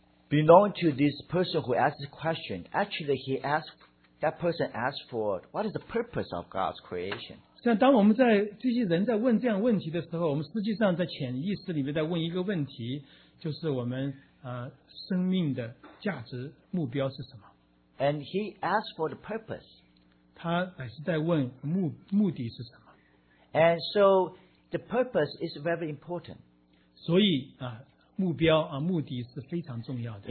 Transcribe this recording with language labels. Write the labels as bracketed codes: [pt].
[en] Unbeknown to this person who asked this question, actually that person asked for what is the purpose of God's creation? [zh] 像当我们在这些人在问这样问题的时候，我们实际上在潜意识里面在问一个问题，就是我们生命的价值目标是什么？ [en] And he asked for the purpose. [zh] 他乃是在问目的是什么？ [en] And so the purpose is very important. [zh] 所以目标目的是非常重要的。